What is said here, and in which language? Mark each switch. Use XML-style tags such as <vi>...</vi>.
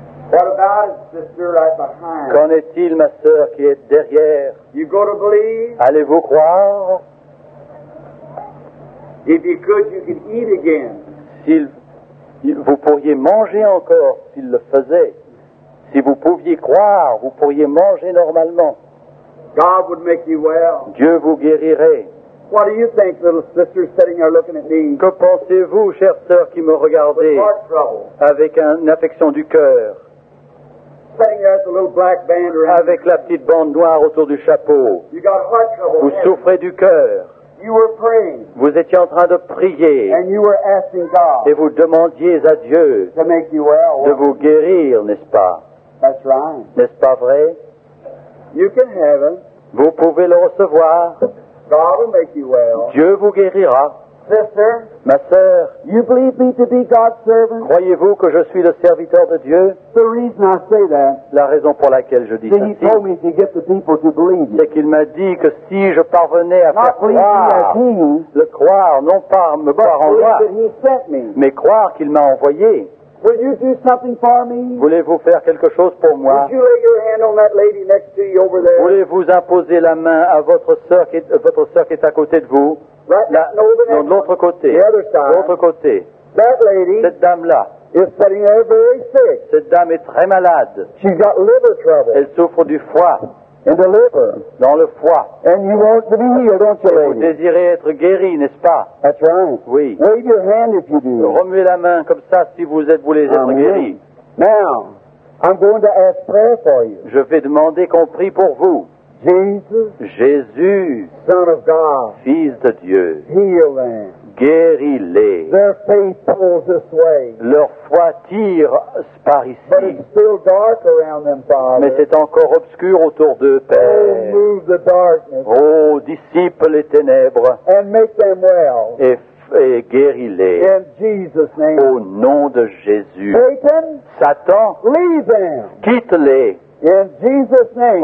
<en>What about it, sister, right behind?</en> <fr>Qu'en est-il, ma sœur, qui est derrière?</fr> <en>You go to believe?</en> <fr>Allez-vous croire?</fr> <en>If you could, you could eat again.</en> <fr>S'il vous pourriez manger encore, s'il le faisait. Si vous pouviez croire, vous pourriez manger normalement.</fr> <en>God would make you well.</en> <fr>Dieu vous guérirait.</fr> <en>What do you think, little sister, sitting there looking at me?</en> <fr>Que pensez-vous, chère sœur, qui me regardez avec une affection du cœur?</fr> <en>Sitting there with a little black band around.</en> <fr>Avec la petite bande noire autour du chapeau.</fr> <en>You got heart trouble.</en> <fr>Vous souffrez du cœur.</fr> <en>You were praying.</en> <fr>Vous étiez en train de prier.</fr> <en>And you were asking God.</en> <fr>Et vous demandiez à Dieu</fr> <en>to make you well.</en> <fr>De vous guérir, n'est-ce pas?</fr> <en>That's right.</en> <fr>N'est-ce pas vrai?</fr> <en>You can have it.</en> <fr>Vous pouvez le recevoir.</fr> <en>God will make you well.</en> <fr>Dieu vous guérira.</fr> <en>Sister,</en> <fr>ma sœur,</fr> <en>you believe me to be God's servant?</en> <fr>Croyez-vous que je suis le serviteur de Dieu?</fr> <en>The reason I say that,</en> <fr>la raison pour laquelle je dis ceci,</fr> <en>told me to get the people to believe.</en> <fr>C'est qu'il m'a dit que si je parvenais à</fr> <en>not</en> <fr>faire croire, le croire, non pas me</fr> <en>but</en> <fr>croire en moi,</fr> <en>that he sent me.</en> <fr>Mais croire qu'il m'a envoyé.</fr> <en>Will you do something for me?</en> <fr>Voulez-vous faire quelque chose pour moi?</fr> <en>Would you lay your hand on that lady next to you over there?</en> <fr>Voulez-vous imposer la main à votre sœur qui est à côté de vous? Non, de l'autre côté.</fr> <en>The other side.</en> <fr>L'autre côté.</fr> <en>That lady.</en> <fr>Cette dame-là.</fr> <en>Is sitting there very sick.</en> <fr>Cette dame est très malade.</fr> <en>She's got liver trouble.</en> <fr>Elle souffre du foie.</fr> <en>In the liver.</en> <fr>Dans le foie.</fr> <en>And you want to be healed, don't you, lady?</en> <fr>Vous désirez être guéri, n'est-ce pas?</fr> <en>That's right.</en> <fr>Oui.</fr> <en>Wave your hand if you do.</en> <fr>Remuez la main comme ça si vous êtes voulez être guéri.</fr> <en>Now, I'm going to ask prayer for you.</en> <fr>Je vais demander qu'on prie pour vous.</fr> <en>Jésus, Son of God,</en> <fr>Fils de Dieu,</fr> <en>heal them.</en> <fr>Guéris-les.</fr> <en>Their faith pulls this way.</en> <fr>Leur foi tire par ici.</fr> <en>But it's still dark around them, Father.</en> <fr>Mais c'est encore obscur autour d'eux, Père.</fr> <en>Oh, move the darkness.</en> <fr>Oh, dissipe les ténèbres.</fr> <en>And make them well.</en> <fr>Et guéris-les.</fr> <en>In Jesus' name.</en> <fr>Au nom de Jésus.</fr> <en>Satan, leave them.</en> <fr>Quitte-les.</fr> <en>In Jesus' name.</en>